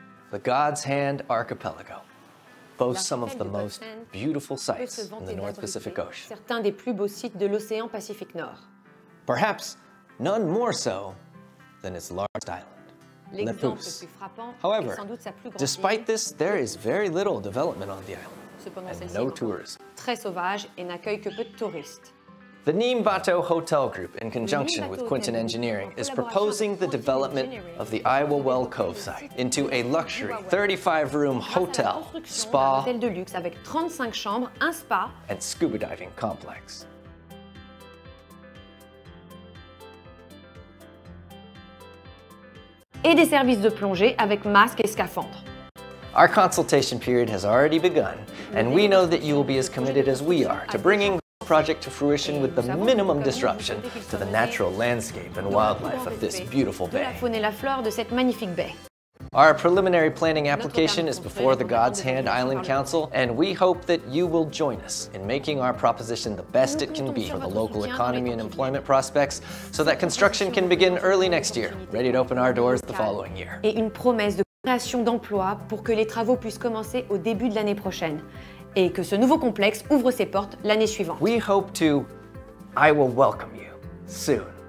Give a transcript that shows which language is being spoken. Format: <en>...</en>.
<en>The God's Hand Archipelago. Boasts some of the most beautiful sites in the North Pacific Ocean.</en> <fr>Certains des plus beaux sites de l'océan Pacifique Nord.</fr> <en>Perhaps none more so than its largest island, Lepus. However, despite this, there is very little development on the island, and no tourism.</en> <fr>Très sauvage et n'accueille que peu de touristes.</fr> <en>The Neem Bato Hotel Group, in conjunction with Quinton Engineering, is proposing the development of the Iowa Well Cove site into a luxury 35-room hotel, spa, and scuba diving complex.</en> <fr>Et des services de plongée avec masque et scaphandre.</fr> <en>Our consultation period has already begun, and we know that you will be as committed as we are to bringing the project to fruition with the minimum disruption to the natural landscape and wildlife of this beautiful bay.</en> <fr>De la faune et la flore de cette magnifique baie.</fr> <en>Our preliminary planning application is before the God's Hand Island Council, and we hope that you will join us in making our proposition the best it can be for the local economy and employment prospects, so that construction can begin early next year, ready to open our doors the following year.</en> <fr>Et une promesse de création d'emplois pour que les travaux puissent commencer au début de l'année prochaine, et que ce nouveau complexe ouvre ses portes l'année suivante.</fr> <en>We hope to, I will welcome you soon.</en>